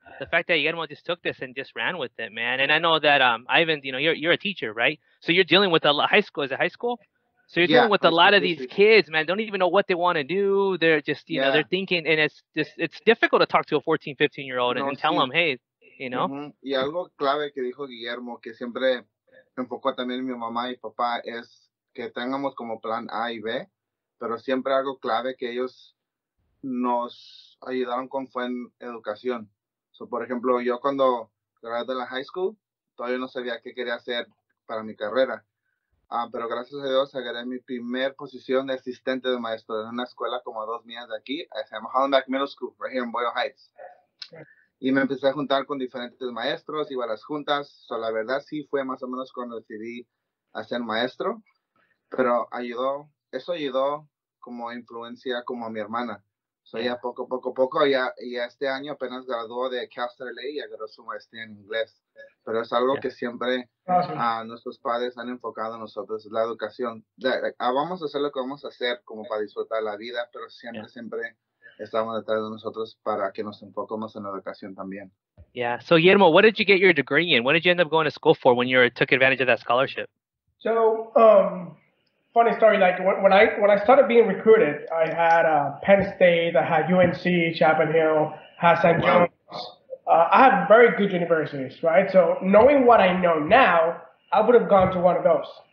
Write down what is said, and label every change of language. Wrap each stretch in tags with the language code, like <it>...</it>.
<en>The fact that Guillermo just took this and just ran with it, man. And I know that, Ivan, you know, you're a teacher, right? So you're dealing with a high school. Is it high school? So you're dealing with a lot of these kids, man. Don't even know what they want to do. They're just, you know, they're thinking, and it's just, it's difficult to talk to a 14, 15 year old and tell them, hey, you know.</en> <es>Y algo clave que dijo Guillermo, que siempre enfocó también mi mamá y papá, es que tengamos como plan A y B, pero siempre algo clave que ellos nos ayudaron con fue en educación. So, por ejemplo, yo cuando gradué de la high school, todavía no sabía qué quería hacer para mi carrera. Pero gracias a Dios, agarré mi primer posición de asistente de maestro en una escuela como a 2 millas de aquí. Se llama Hollenbeck Middle School,</es> <en>right here in Boyle Heights.</en> <es>Y me empecé a juntar con diferentes maestros, iba a las juntas. So, la verdad, sí fue más o menos cuando decidí hacer maestro. Pero eso ayudó como influencia como a mi hermana. So, ya poco a poco, ya este año apenas graduó de Castellanos y agarró su maestría en inglés. Pero es algo que siempre nuestros padres han enfocado en nosotros, la educación. Vamos a hacer lo que vamos a hacer como para disfrutar la vida, pero siempre estamos detrás de nosotros para que nos enfoquemos en la educación también.</es> <en>Yeah. So, Guillermo, what did you get your degree in? What did you end up going to school for when you took advantage of that scholarship? So, funny story, like when I started being recruited, I had Penn State, I had UNC, Chapel Hill, had St. John's. I had very good universities, right? So knowing what I know now, I would have gone to one of those.</en>